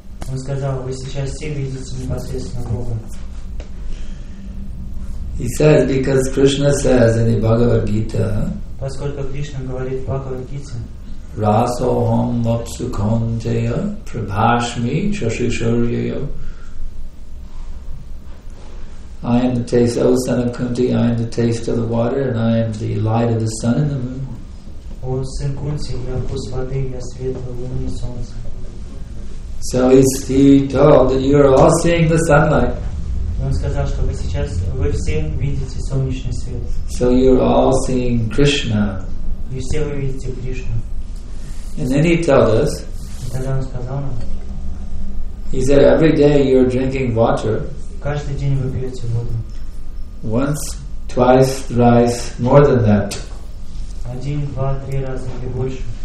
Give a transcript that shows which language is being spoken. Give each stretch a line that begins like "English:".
Russian: Он сказал, вы сейчас все видите непосредственно Бога.
English: He says, because Krishna says in the Bhagavad Gita,
Russian: поскольку Кришна говорит в Бхагавад Гите,
Sanskrit: Расохам Вапсукхонтея Прабхашми Шашишорьяя.
English: I am the taste, O son of Kunti, I am the taste of the water, and I am the light of the sun and the moon.
Russian: О, сын Кунти, я вкус воды, я свет луны и солнца.
English: So he told that you are all seeing the sunlight.
Russian: Он сказал, что вы сейчас вы все видите солнечный свет.
English: So you are all seeing Krishna.
Russian: И все вы видите Кришну.
English: And then he told us.
Russian: И тогда он сказал нам.
English: He said, every day you are drinking water.
Russian: Каждый день вы пьете воду.
English: Once, twice, thrice, more than that.
Russian: Один, два, три раза или больше.